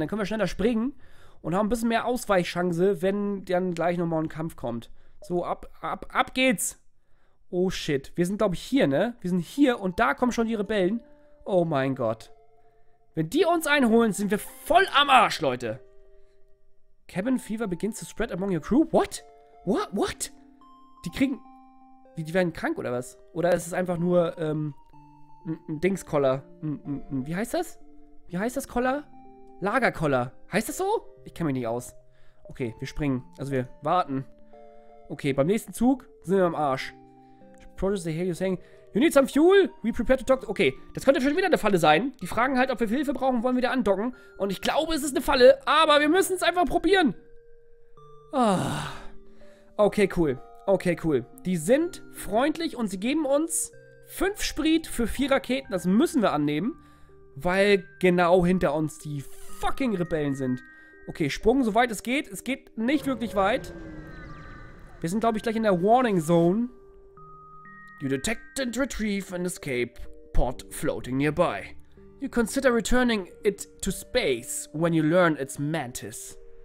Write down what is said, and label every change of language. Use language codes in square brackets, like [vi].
[de] Dann können wir schneller springen und haben ein bisschen mehr Ausweichchance, wenn dann gleich nochmal ein Kampf kommt. So, ab geht's. Oh shit, wir sind glaube ich hier, ne? Wir sind hier und da kommen schon die Rebellen. Oh mein Gott. Wenn die uns einholen, sind wir voll am Arsch, Leute. [en] Cabin Fever begins to spread among your crew. [de] What? Die kriegen... Die werden krank oder was? Oder ist es einfach nur, ein Dings-Koller. Wie heißt das? Wie heißt das Koller? Lagerkoller. Heißt das so? Ich kenne mich nicht aus. Okay, wir springen. Also wir warten. Okay, beim nächsten Zug sind wir am Arsch. [en] Produce, they hear you saying, you need some fuel? We prepare to talk. [de] Okay, das könnte schon wieder eine Falle sein. Die fragen halt, ob wir Hilfe brauchen, wollen wieder andocken. Und ich glaube, es ist eine Falle, aber wir müssen es einfach probieren. Oh. Okay, cool. Die sind freundlich und sie geben uns 5 Sprit für 4 Raketen. Das müssen wir annehmen, weil genau hinter uns die fucking Rebellen sind. Okay, Sprung, soweit es geht. Es geht nicht wirklich weit. Wir sind, glaube ich, gleich in der Warning Zone. [en] You detect and retrieve an escape pod floating nearby. You consider returning it to space when you learn it's Mantis.